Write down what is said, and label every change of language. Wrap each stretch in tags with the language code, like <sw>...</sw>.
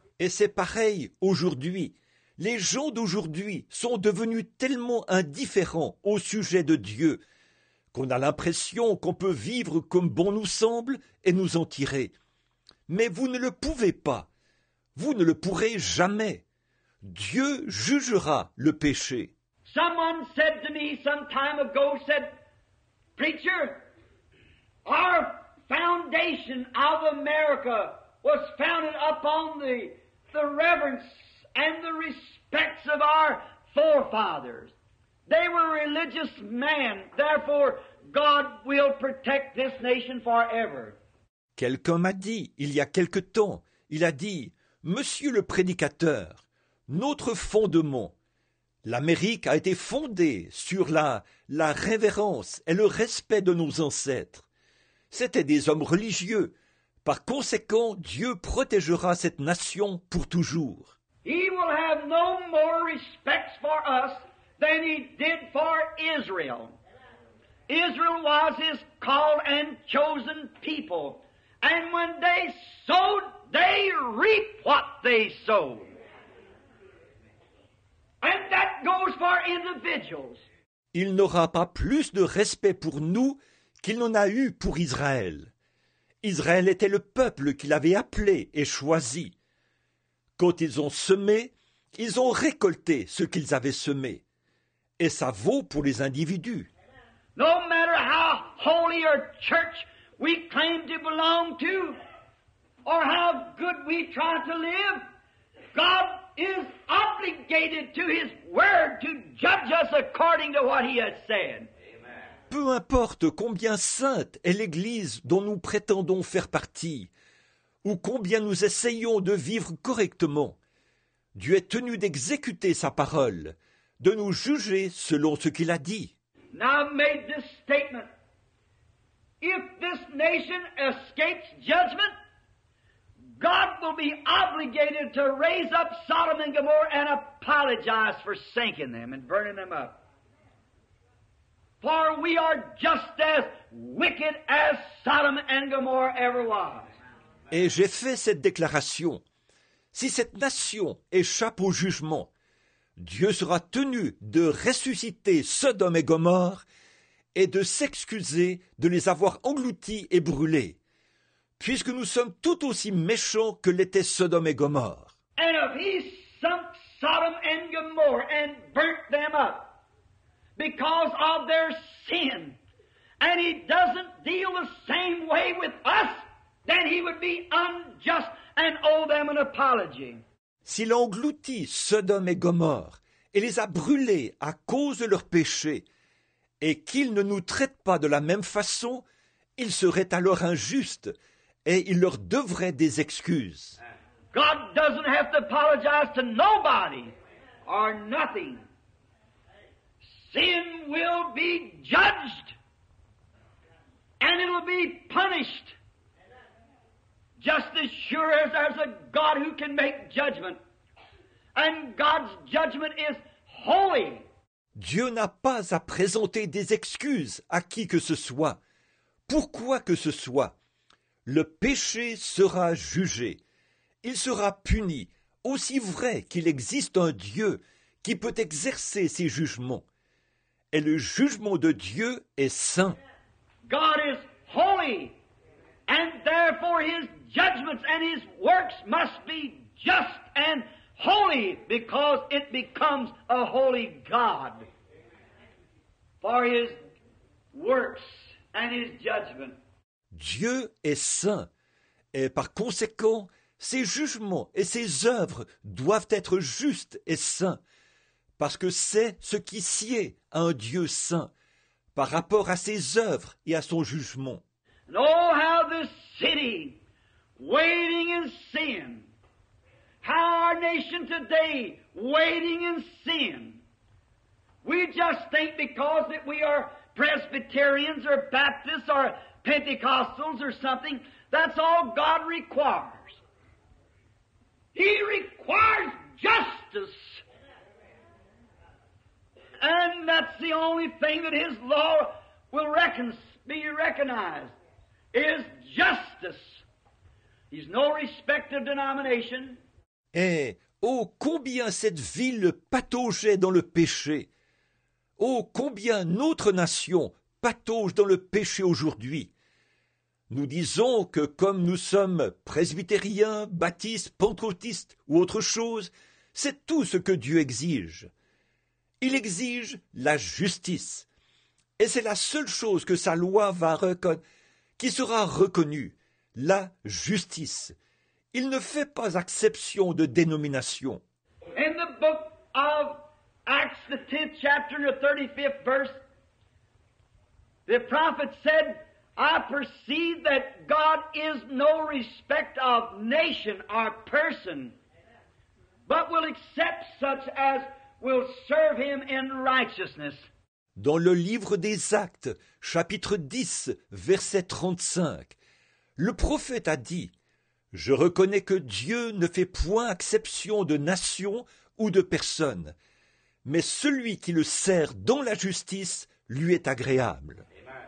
<fr>Et c'est pareil aujourd'hui. Les gens d'aujourd'hui sont devenus tellement indifférents au sujet de Dieu qu'on a l'impression qu'on peut vivre comme bon nous semble et nous en tirer. Mais vous ne le pouvez pas. Vous ne le pourrez jamais. Dieu jugera le péché.</fr> <en>Someone said to me some time ago, said, Preacher, our foundation of America was founded upon the reverence and the respects of our forefathers. They were religious men. Therefore, God will protect this nation forever.</en> <fr>Quelqu'un m'a dit, il y a quelque temps, il a dit, « Monsieur le prédicateur, notre fondement, l'Amérique a été fondée sur la révérence et le respect de nos ancêtres. C'étaient des hommes religieux. Par conséquent, Dieu protégera cette nation pour toujours. »</fr> <en>He will have no more respect for us than he did for Israel. Israel was his called and chosen people. And when they sowed, they reap what they sowed. And that goes for individuals.</en> <fr>Il n'aura pas plus de respect pour nous qu'il n'en a eu pour Israël. Israël était le peuple qu'il avait appelé et choisi. Quand ils ont semé, ils ont récolté ce qu'ils avaient semé. Et ça vaut pour les individus.</fr> <en>No matter how holy or church we claim to belong to, or how good we try to live, God is obligated to his word to judge us according to what he has said.</en> <fr>Peu importe combien sainte est l'Église dont nous prétendons faire partie, ou combien nous essayons de vivre correctement, Dieu est tenu d'exécuter sa parole, de nous juger selon ce qu'il a dit.</fr> <en>Now I've made this statement. If this nation escapes judgment, God will be obligated to raise up Sodom and Gomorrah and apologize for sinking them and burning them up. For we are just as wicked as Sodom and Gomorrah ever was.</en> <fr>Et j'ai fait cette déclaration. Si cette nation échappe au jugement, Dieu sera tenu de ressusciter Sodome et Gomorre et de s'excuser de les avoir engloutis et brûlés, puisque nous sommes tout aussi méchants que l'étaient Sodome et Gomorre.</fr> <en>And if he sunk Sodom and Gomorrah and burnt them up because of their sin, and he doesn't deal the same way with us, then he would be unjust and owe them an apology.</en> <fr>S'il engloutit Sodome et Gomorre et les a brûlés à cause de leurs péchés, et qu'il ne nous traite pas de la même façon, il serait alors injuste et il leur devrait des excuses.</fr> <en>God doesn't have to apologize to nobody or nothing. Sin will be judged and it will be punished. Just as sure as there's a God who can make judgment. And God's judgment is holy.</en> <fr>Dieu n'a pas à présenter des excuses à qui que ce soit. Pourquoi que ce soit, le péché sera jugé. Il sera puni, aussi vrai qu'il existe un Dieu qui peut exercer ses jugements. Et le jugement de Dieu est saint.</fr> <en>God is holy. And therefore his judgments and his works must be just and holy because it becomes a holy God. For his works and his judgment.</en> <fr>Dieu est saint et par conséquent ses jugements et ses œuvres doivent être justes et saints parce que c'est ce qui sied à un Dieu saint par rapport à ses œuvres et à son jugement.</fr> <en>And oh, how this city, waiting in sin, how our nation today, waiting in sin. We just think because that we are Presbyterians or Baptists or Pentecostals or something, that's all God requires. He requires justice. And that's the only thing that his law will be recognized. Is justice. He's no respect of denomination.</en> <fr>Et oh, combien cette ville pataugeait dans le péché. Oh, combien notre nation patauge dans le péché aujourd'hui. Nous disons que comme nous sommes presbytériens, baptistes, pentecôtistes ou autre chose, c'est tout ce que Dieu exige. Il exige la justice. Et c'est la seule chose que sa loi va reconnaître. Qui sera reconnu, la justice. Il ne fait pas exception de dénomination.</fr> <en>In the book of Acts the 10th chapter and the 35th verse, the prophet said, I perceive that God is no respect of nation or person, but will accept such as will serve him in righteousness.</en> <fr>Dans le livre des Actes, chapitre 10, verset 35, le prophète a dit, « Je reconnais que Dieu ne fait point exception de nation ou de personne, mais celui qui le sert dans la justice lui est agréable. »</fr>